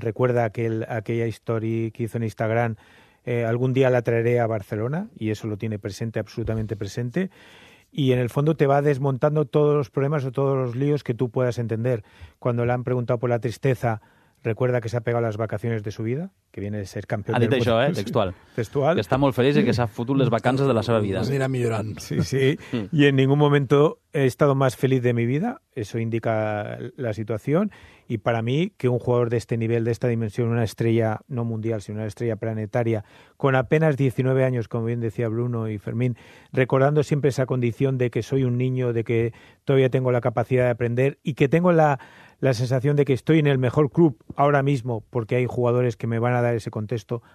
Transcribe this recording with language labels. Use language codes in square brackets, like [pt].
[es] Recuerda aquella story que hizo en Instagram, algún día la traeré a Barcelona, y eso lo tiene presente, absolutamente presente. Y en el fondo te va desmontando todos los problemas o todos los líos que tú puedas entender. Cuando le han preguntado por la tristeza, recuerda que se ha pegado las vacaciones de su vida, que viene de ser campeón. [ca] Ha dit això, textual. Textual. Que està molt feliç i que s'ha fotut les vacances de la seva vida. Anirà millorant. Sí, sí. [es] Y en ningún momento he estado más feliz de mi vida. Eso indica la situación. Y para mí, que un jugador de este nivel, de esta dimensión, una estrella, no mundial, sino una estrella planetaria, con apenas 19 años, como bien decía Bruno y Fermín, recordando siempre esa condición de que soy un niño, de que todavía tengo la capacidad de aprender y que tengo la sensación de que estoy en el mejor club ahora mismo porque hay jugadores que me van a dar ese contexto.